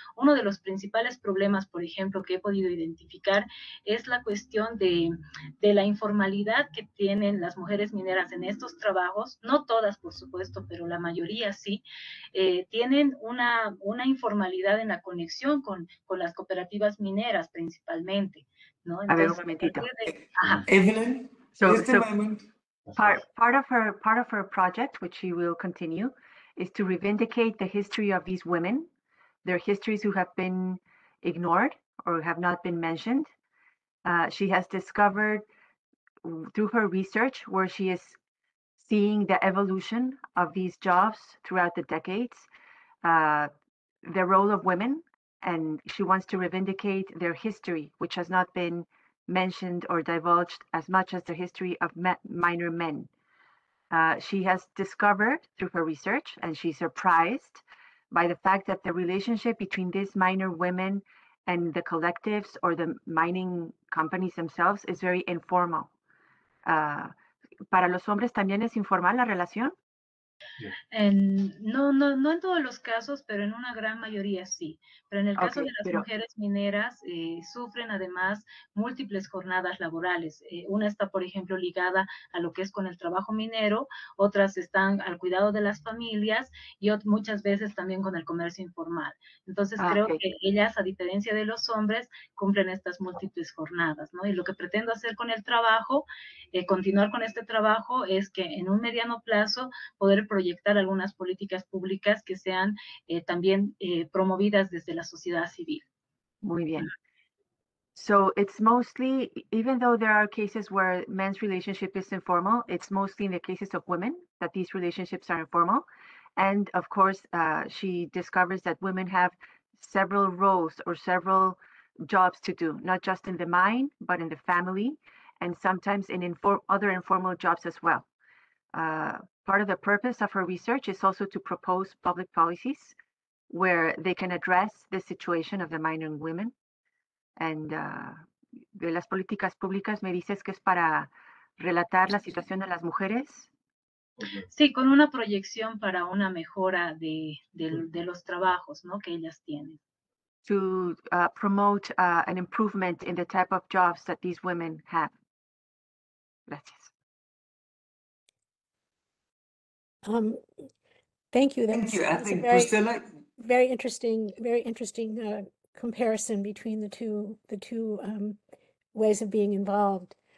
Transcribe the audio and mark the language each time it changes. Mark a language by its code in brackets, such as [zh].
[es] Uno de los principales problemas, por ejemplo, que he podido identificar es la cuestión de la informalidad que tienen las mujeres mineras en estos trabajos. No todas, por supuesto, pero la mayoría sí. Tienen una informalidad en la conexión con las cooperativas mineras principalmente, ¿no? Entonces, a ver, un momentito. [en] Evelyn, part of her project, which she will continue, is to revindicate the history of these women, their histories who have been ignored or have not been mentioned. She has discovered through her research where she is seeing the evolution of these jobs throughout the decades, the role of women, and she wants to revindicate their history, which has not been mentioned or divulged as much as the history of minor men. She has discovered through her research, and she's surprised by the fact that the relationship between these minor women and the collectives or the mining companies themselves is very informal. [es] Para los hombres también es informal la relación. No en todos los casos, pero en una gran mayoría sí. Pero en el caso de las mujeres mineras, sufren además múltiples jornadas laborales. Una está, por ejemplo, ligada a lo que es con el trabajo minero, otras están al cuidado de las familias y muchas veces también con el comercio informal. Entonces, creo que ellas, a diferencia de los hombres, cumplen estas múltiples jornadas, ¿no? Y lo que pretendo hacer con el trabajo, continuar con este trabajo, es que en un mediano plazo poder proyectar algunas políticas públicas que sean también promovidas desde la sociedad civil. Muy bien. [en] So it's mostly, even though there are cases where men's relationship is informal, it's mostly in the cases of women that these relationships are informal. And of course, she discovers that women have several roles or several jobs to do, not just in the mine, but in the family, and sometimes in other informal jobs as well. Part of the purpose of her research is also to propose public policies where they can address the situation of the minor women. [es] And de las políticas públicas, me dices que es para relatar la situación de las mujeres. Sí, con una proyección para una mejora de los trabajos, ¿no? Que ellas tienen. [en] To promote an improvement in the type of jobs that these women have. [es] Gracias. [en] Thank you. Thank you. I think Priscilla. Very interesting comparison between the two ways of being involved.